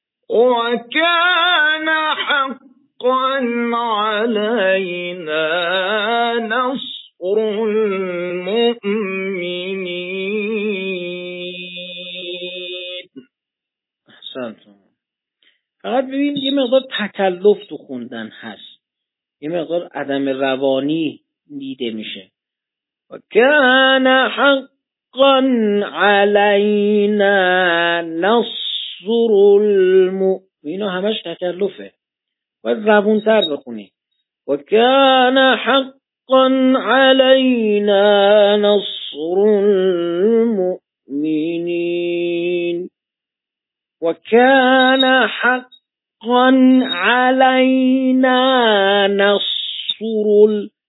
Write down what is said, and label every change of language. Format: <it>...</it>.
<ar>وكان حقا علينا نصر المؤمنين. احسنتم.</ar> <fa>فقط ببینید یه مقدار تکلف تو خوندن هست، یه مقدار عدم روانی دیده میشه.</fa> <ar>وكان حقا علينا نصر المؤمنين،</ar> <fa>اینا همش تکلفه، باید روانتر بخونی.</fa> <ar>و کان حقا علینا نصر المؤمنین، و کان حقا علینا نصر ال،</ar>